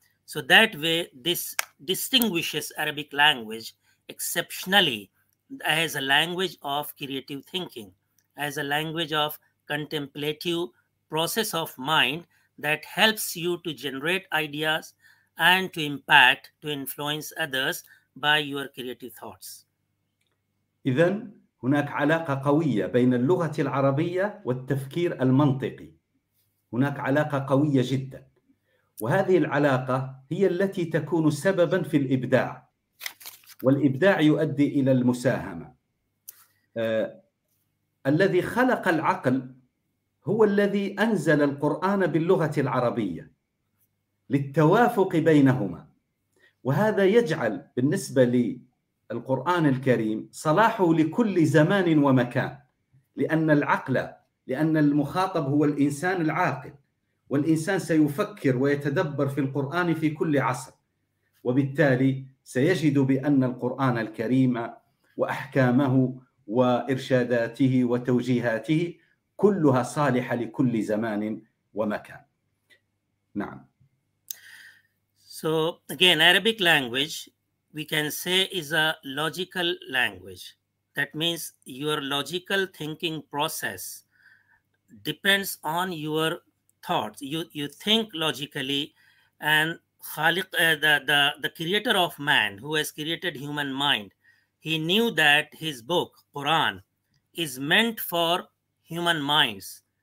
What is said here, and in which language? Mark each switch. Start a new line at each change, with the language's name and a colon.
English: So that way, this distinguishes Arabic language exceptionally as a language of creative thinking, as a language of contemplative process of mind that helps you to generate ideas and to impact, to influence others by your creative thoughts.
Arabic: إذن هناك علاقة قوية بين اللغة العربية والتفكير المنطقي. هناك علاقة قوية جدا، وهذه العلاقة هي التي تكون سببا في الإبداع، والإبداع يؤدي إلى المساهمة. الذي خلق العقل هو الذي أنزل القرآن باللغة العربية للتوافق بينهما، وهذا يجعل بالنسبة لي القرآن الكريم صلاحه لكل زمان ومكان، لأن العقل، لأن المخاطب هو الإنسان العاقل، والإنسان سيفكر ويتدبر في القرآن في كل عصر، وبالتالي سيجد بأن القرآن الكريم وأحكامه وإرشاداته وتوجيهاته كلها صالحة لكل زمان ومكان. نعم.
English: So again, Arabic language, we can say, is a logical language. That means your logical thinking process depends on your thoughts. You think logically, and Khaliq, the creator of man, who has created human mind, he knew that his book, Quran, is meant for human minds.